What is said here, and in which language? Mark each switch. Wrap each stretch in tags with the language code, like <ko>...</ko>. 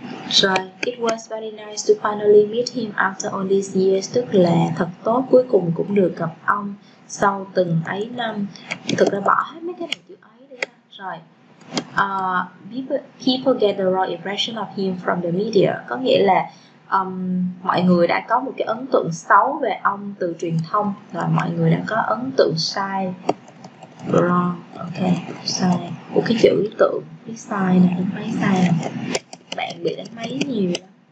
<en>Rồi, it was very nice to finally meet him after all these years.</en> <vi>Tức là thật tốt, cuối cùng cũng được gặp ông sau từng ấy năm. Thực ra bỏ hết mấy cái này chữ ấy đi ha.</vi> <en>Rồi, people get the wrong impression of him from the media.</en> <vi>Có nghĩa là mọi người đã có một cái ấn tượng xấu về ông từ truyền thông. Rồi, mọi người đã có ấn tượng sai. Wrong, ok, sai. Của cái chữ tượng, cái sai này, đánh máy sai này. Bạn bị đánh máy nhiều lắm.</vi>